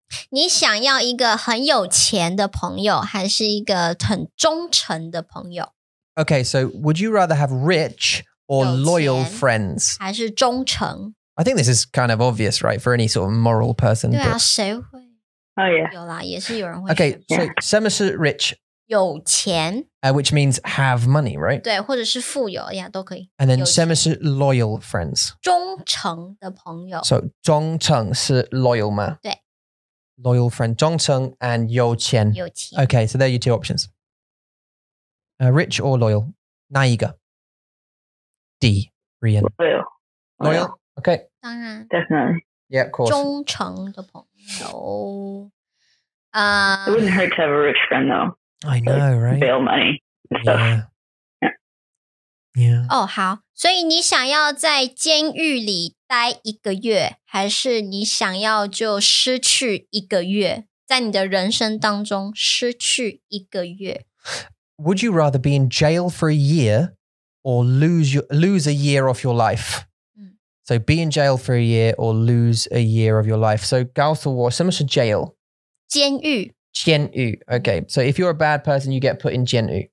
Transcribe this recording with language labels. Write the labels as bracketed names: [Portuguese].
[Chinese] 你想要一个很有钱的朋友，还是一个很忠诚的朋友？ [English] Okay, so would you rather have rich or loyal friends? [Chinese] 还是忠诚？ [English] I think this is kind of obvious, right? For any sort of moral person. [Chinese] 对啊，谁会？ [English] Oh, yeah. [Chinese] 有啦，也是有人会。 [English] Okay, so yeah. [Chinese] 什么是 [English] rich? [Chinese] 有钱。 [English] Which means have money, right? [Chinese] 对，或者是富有，呀，都可以。 [English] And then [Chinese] 什么是 [English] loyal friends? [Chinese] 忠诚的朋友。 So, 忠诚是 loyal 吗？对。 [English] Loyal friend, 忠诚 and 有钱。 [Chinese] 有钱。 [English] Okay, so there are your two options. Rich or loyal? [Chinese] 哪一个 ?D, Rian. [English] Loyal. Loyal? Okay. [Chinese] 当然。 [English] Definitely. Yeah, of course. [Chinese] 忠诚的朋友。 [English] It wouldn't hurt to have a rich friend, though. I know, right? Bail money. Yeah. Oh, 好。 [Chinese] 所以你想要在监狱里待一个月，还是你想要就失去一个月，在你的人生当中失去一个月？ [English] Would you rather be in jail for a year or lose a year of your life? So be in jail for a year or lose a year of your life. [Chinese] So 告诉我什么是 jail? 监狱。 [English] 监狱。Okay. So if you're a bad person, you get put in 监狱。